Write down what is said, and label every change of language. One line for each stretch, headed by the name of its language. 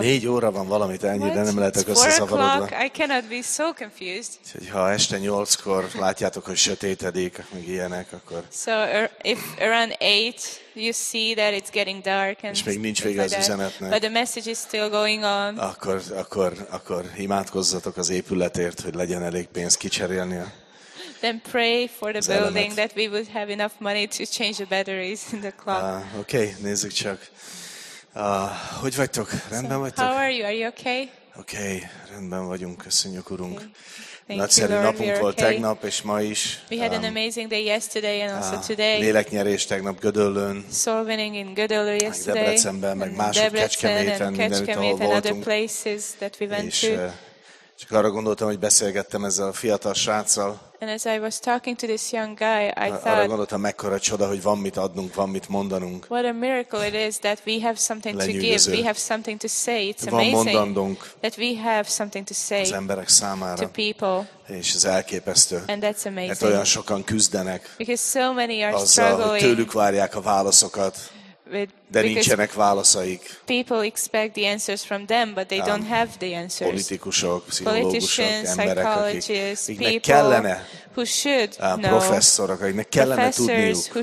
Hungarian: 4 óra van valamit ennyi, de nem lehetek összezavarodva.
English: I cannot be so confused.
Hungarian: Ha este 8-kor látjátok, hogy sötétedik, meg ilyenek, akkor.
English: So if around 8 you see that it's getting dark and.
Hungarian: És még nincs vége az üzenetnek.
English: But the message is still going on.
Hungarian: Akkor imádkozzatok az épületért, hogy legyen elég pénz kicserélni.
English: Then pray for the building that we would have enough money to change the batteries in the clock.
Hungarian: Okay, nézzük csak. Hogy vagytok? Rendben vagytok?
English: How are you? Are you okay?
Hungarian: Okay, rendben vagyunk, köszönjük, Urunk. Okay. Nagyszerű napunk volt tegnap és ma is.
English: We had an amazing day yesterday and also today.
Hungarian: Léleknyerés tegnap Gödöllőn.
English: Soul winning in Gödöllő yesterday.
Hungarian: Debrecenben, meg mások Kecskeméten, mindenütt, ahol voltunk.
English: Places that we went
Hungarian: és,
English: to.
Hungarian: Csak arra gondoltam, hogy beszélgettem ezzel a fiatal sráccal.
English: And as I was talking to this young guy, I thought.
Hungarian: Arra gondoltam, mekkora csoda, hogy van mit adnunk, van mit mondanunk.
English: What a miracle it is that we have something to give, we have something to say. It's
Hungarian: van
English: amazing.
Hungarian: Mondandunk.
English: That we have something to say.
Hungarian: Az emberek számára.
English: To people.
Hungarian: És ez elképesztő.
English: And that's amazing.
Hungarian: Mert olyan sokan küzdenek.
English: Because so many are
Hungarian: azzal,
English: struggling.
Hungarian: Hogy tőlük várják a válaszokat. De nincsenek válaszaik.
English: People expect the answers from them, but they don't have the answers.
Hungarian: Politikusok, pszichológusok, emberek, akiknek kellene, professzorok, akiknek kellene tudniuk.